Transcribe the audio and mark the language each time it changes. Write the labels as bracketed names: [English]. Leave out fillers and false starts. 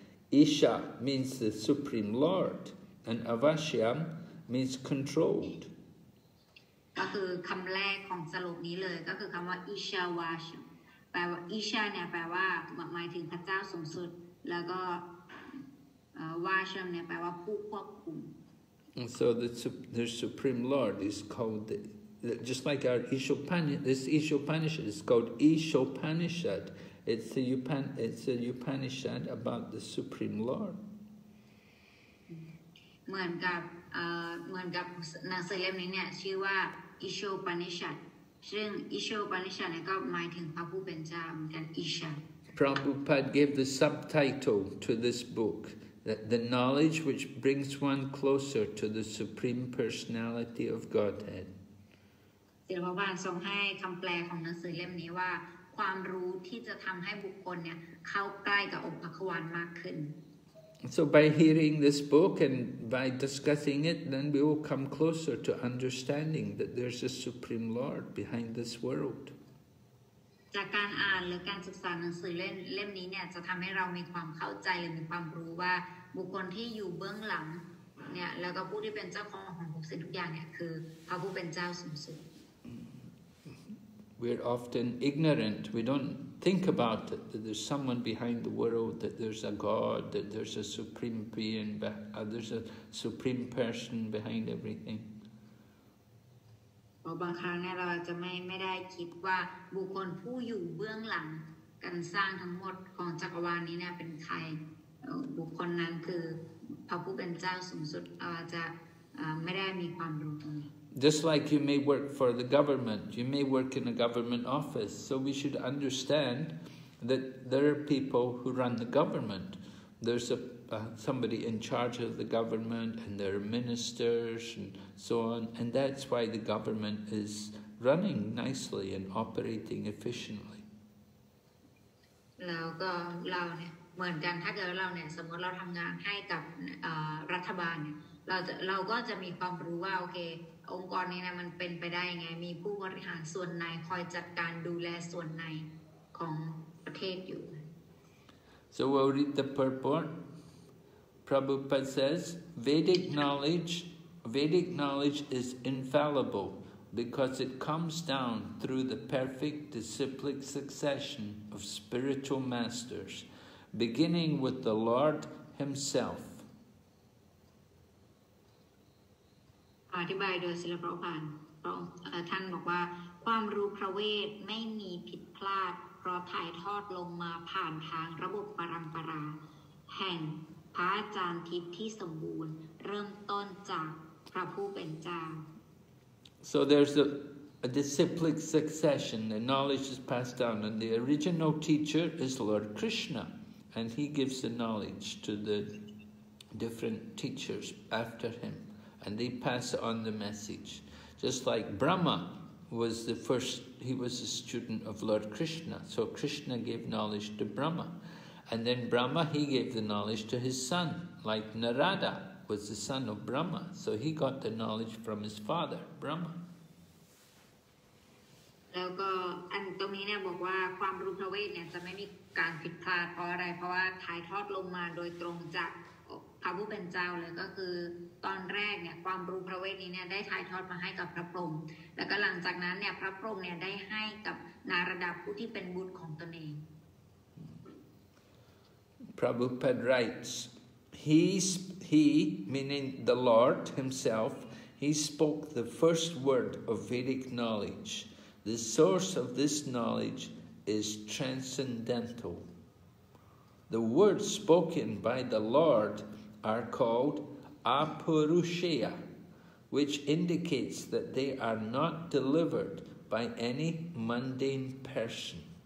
[English] Isha means the supreme Lord, and avashyam means controlled. [Thai] ก็คือคำแรกของสรุปนี้เลยก็คือคำว่า Ishavashyam. แปลว่า Isha เนี่ยแปลว่าหมายถึงพระเจ้าสูงสุดแล้วก็ Vashyam เนี่ยแปลว่าผู้ควบคุม [English] And so the Supreme Lord is called, just like our Ishopanishad is called Ishopanishad. It's a Upanishad about the Supreme Lord. [Thai] เหมือนกับหนังสือเล่มนี้เนี่ยชื่อว่า Ishopanishad. ซึ่ง Ishopanishad เนี่ยก็หมายถึงพระผู้เป็นเจ้าเหมือนกัน Isha. [English] Prabhupada gave the subtitle to this book. The knowledge which brings one closer to the Supreme Personality of Godhead. [Thai] ศิลปวันทรงให้คำแปลของหนังสือเล่มนี้ว่าความรู้ที่จะทำให้บุคคลเนี่ยเข้าใกล้กับองค์พระควรมากขึ้น [English] So by hearing this book and by discussing it, then we will come closer to understanding that there's a Supreme Lord behind this world. [Thai] จากการอ่านหรือการศึกษาหนังสือเล่มนี้เนี่ยจะทำให้เรามีความเข้าใจหรือมีความรู้ว่าบุคคลที่อยู่เบื้องหลังเนี่ยแล้วก็ผู้ที่เป็นเจ้าของของทุกสิ่งทุกอย่างเนี่ยคือพระผู้เป็นเจ้าสูงสุด [English] We're often ignorant. We don't think about it, that there's someone behind the world, that there's a God, that there's a supreme being, there's a supreme person behind everything. [Thai] บางครั้งเนี่ยเราจะไม่ได้คิดว่าบุคคลผู้อยู่เบื้องหลังการสร้างทั้งหมดของจักรวาลนี้เนี่ยเป็นใครบุคคลนั้นคือพระผู้เป็นเจ้าสูงสุดเราจะไม่ได้มีความรู้ตรงนี้ [English] Just like you may work for the government, you may work in a government office. So we should understand that there are people who run the government. There's somebody in charge of the government, and there are ministers and so on. And that's why the government is running nicely and operating efficiently. [Thai] แล้วก็เราเนี่ยเหมือนกันถ้าเกิดเราเนี่ยสมมติเราทำงานให้กับรัฐบาลเนี่ยเราก็จะมีความรู้ว่าโอเคองค์กรนี้นะมันเป็นไปได้ยังไงมีผู้บริหารส่วนในคอยจัดการดูแลส่วนในของประเทศอยู่ [English] So we'll read the purport. Prabhupada says Vedic knowledge is infallible because it comes down through the perfect disciplic succession of spiritual masters, beginning with the Lord Himself. [Thai] อธิบายโดยศิลปราภรณ์ท่านบอกว่าความรู้พระเวทไม่มีผิดพลาดเพราะถ่ายทอดลงมาผ่านทางระบบปรัมปราแห่งพระอาจารย์ทิพย์ที่สมบูรณ์เริ่มต้นจากพระผู้เป็นเจ้า [English] So there's a disciplic succession the knowledge is passed down and the original teacher is Lord Krishna and he gives the knowledge to the different teachers after himAnd they pass on the message. Just like Brahma was the first, he was a student of Lord Krishna. So Krishna gave knowledge to Brahma. And then Brahma, he gave the knowledge to his son. Like Narada was the son of Brahma. So he got the knowledge from his father, Brahma. [Thai] แล้วก็อันตรงนี้เนี่ยบอกว่าความรู้พระเวทเนี่ยจะไม่มีการผิดพลาดเพราะอะไรเพราะว่าถ่ายทอดลงมาโดยตรงจากพระผู้เป็นเจ้าเลยก็คือตอนแรกเนี่ยความรู้พระเวทนี้เนี่ยได้ถ่ายทอดมาให้กับพระพรหมแล้วก็หลังจากนั้นเนี่ยพระพรหมเนี่ยได้ให้กับนารดาผู้ที่เป็นบุตรของตนเอง [English] Prabhupada writes he meaning the Lord himself he spoke the first word of Vedic knowledge the source of this knowledge is transcendental the words spoken by the Lordare called apurusheya, which indicates that they are not delivered by any mundane person.